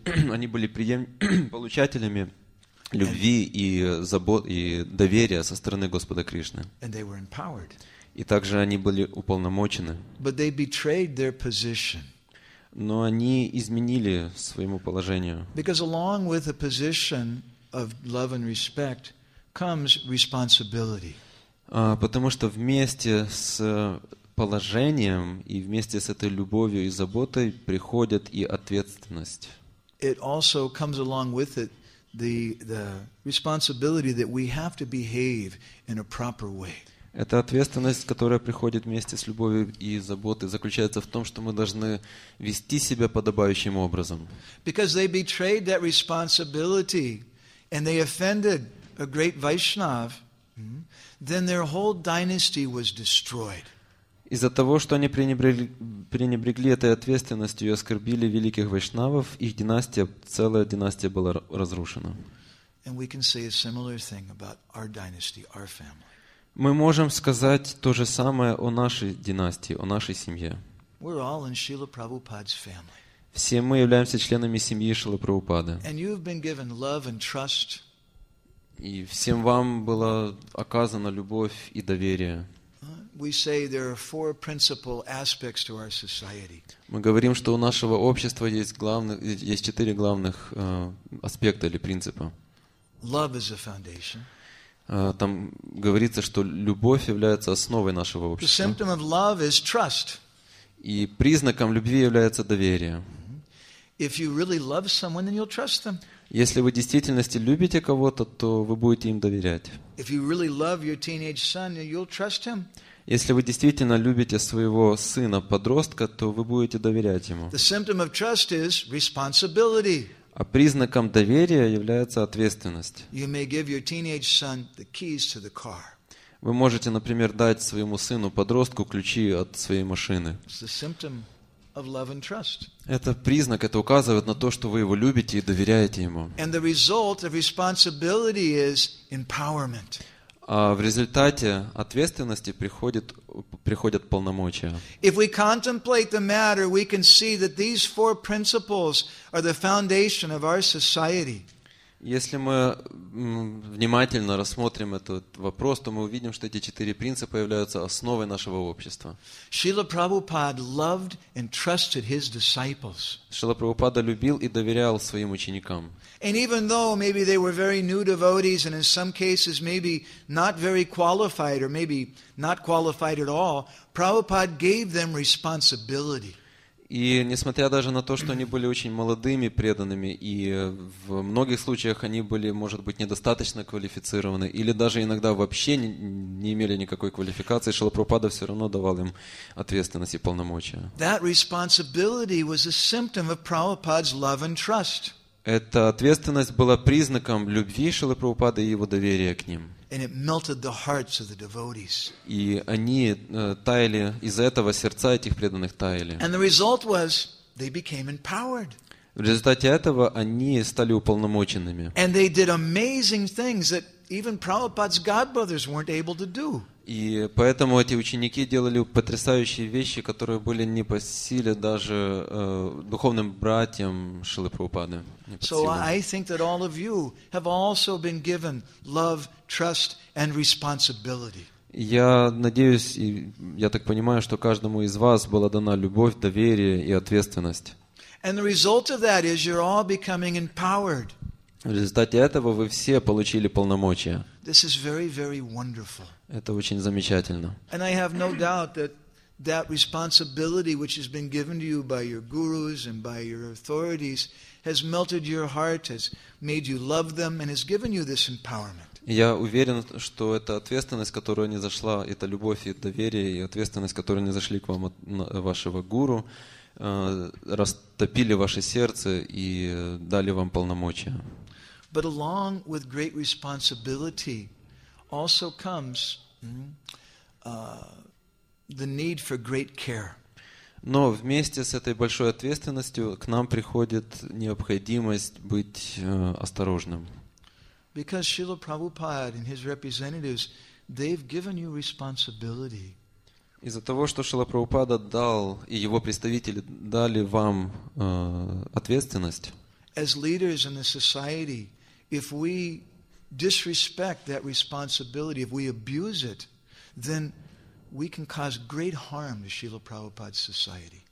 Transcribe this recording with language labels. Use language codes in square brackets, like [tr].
[ru] Они были получателями любви и забот и доверия со стороны Господа Кришны. [en] And they were empowered. [ru] И также они были уполномочены. [en] But they betrayed their position. [ru] Но они изменили своему положению. [en] Because along with a position of love and respect comes responsibility. [ru] Потому что вместе с положением и вместе с этой любовью и заботой приходит и ответственность. [en] It also comes along with it the responsibility that we have to behave in a proper way. [ru] Эта ответственность, которая приходит вместе с любовью и заботой, заключается в том, что мы должны вести себя подобающим образом. [en] Because they betrayed that responsibility and they offended a great Vaishnav, then their whole dynasty was destroyed. [ru] Из-за того, что они пренебрегли этой ответственностью и оскорбили великих вайшнавов, их династия, целая династия была разрушена. [en] And we can say a similar thing about our dynasty, our family. [ru] Мы можем сказать то же самое о нашей династии, о нашей семье. [en] We're all in Srila Prabhupada's family. [ru] Все мы являемся членами семьи Шрилы Прабхупады. [en] And you've been given love and trust. [ru] И всем вам была оказана любовь и доверие. [en] we say there are four principal aspects to our society. [ru] Мы говорим, что у нашего общества есть главных, есть четыре главных аспекта или принципа. [en] Love is a foundation. [ru] Там говорится, что любовь является основой нашего общества. [en] The symptom of love is trust. [ru] И признаком любви является доверие. [en] If you really love someone, then you'll trust them. [ru] Если вы в действительности любите кого-то, то вы будете им доверять. [en] If you really love your teenage son, then you'll trust him. [ru] Если вы действительно любите своего сына-подростка, то вы будете доверять ему. [en] The symptom of trust is responsibility. [ru] А признаком доверия является ответственность. [en] You may give your teenage son the keys to the car. [ru] Вы можете, например, дать своему сыну-подростку ключи от своей машины. [en] It's the symptom of love and trust. [ru] Это признак, это указывает на то, что вы его любите и доверяете ему. [en] And the result of responsibility is empowerment. [ru] А в результате ответственности приходят полномочия. [en] If we contemplate the matter, we can see that these four principles are the foundation of our society. [ru] Если мы внимательно рассмотрим этот вопрос, то мы увидим, что эти четыре принципа являются основой нашего общества. [en] Шрила Прабхупада loved and trusted his disciples. [ru] Шрила Прабхупада любил и доверял своим ученикам. [en] And even though maybe they were very new devotees and in some cases maybe not very qualified or maybe not qualified at all, Prabhupada gave them responsibility. [ru] И несмотря даже на то, что они были очень молодыми преданными, и в многих случаях они были, может быть, недостаточно квалифицированы, или даже иногда вообще не имели никакой квалификации, Шрила Прабхупада все равно давал им ответственность и полномочия. [en] That responsibility was a symptom of Prabhupada's love and trust. [ru] Эта ответственность была признаком любви Шрилы Прабхупады и его доверия к ним. [en] And it melted the hearts of the devotees. [ru] И они таяли, из-за этого сердца этих преданных таяли. [en] And the result was they became empowered. [ru] В результате этого они стали уполномоченными. [en] And they did amazing things that even Prabhupada's godbrothers weren't able to do. [ru] И поэтому эти ученики делали потрясающие вещи, которые были не по силе даже духовным братьям Шрилы Прабхупады. [en] So I think that all of you have also been given love, trust, and responsibility. [ru] Я надеюсь, и я так понимаю, что каждому из вас была дана любовь, доверие и ответственность. [en] And the result of that is you're all becoming empowered. [ru] В результате этого вы все получили полномочия. [en] This is very, very wonderful. [ru] Это очень замечательно. [en] And I have no doubt that that responsibility which has been given to you by your gurus and by your authorities has melted your heart, has made you love them, and has given you this empowerment. [ru] Я уверен, что эта ответственность, которая низошла, эта любовь и доверие, и ответственность, которая низошли к вам от вашего гуру, растопили ваше сердце и дали вам полномочия. [en] But along with great responsibility also comes the need for great care. [ru] Но вместе с этой большой ответственностью к нам приходит необходимость быть осторожным. [en] Because Srila Prabhupada and his representatives, they've given you responsibility. [ru] Из-за того, что Шрила Прабхупада дал и его представители дали вам ответственность. [en] As leaders in the society, if we disrespect that responsibility, if we abuse it, then we can cause great harm to Srila Prabhupada's society.